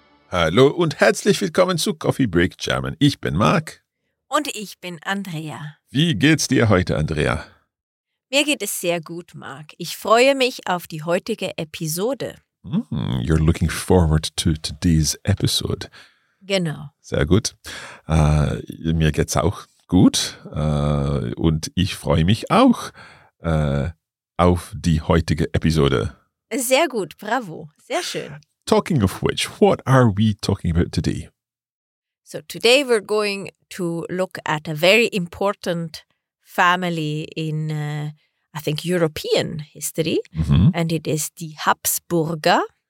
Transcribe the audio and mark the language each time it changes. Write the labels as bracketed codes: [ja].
[de] Hallo und herzlich willkommen zu Coffee Break German. Ich bin Marc. Und ich bin Andrea. Wie geht's dir heute, Andrea? Mir geht es sehr gut, Marc. Ich freue mich auf die heutige Episode. [en] You're looking forward to today's episode. [de] Genau. Sehr gut. Mir geht's auch gut. Und ich freue mich auch auf die heutige Episode. Sehr gut. Bravo. Sehr schön. [en] Talking of which, what are we talking about today? So today we're going to look at a very important family in, I think, European history. Mm-hmm. And it is the Habsburger.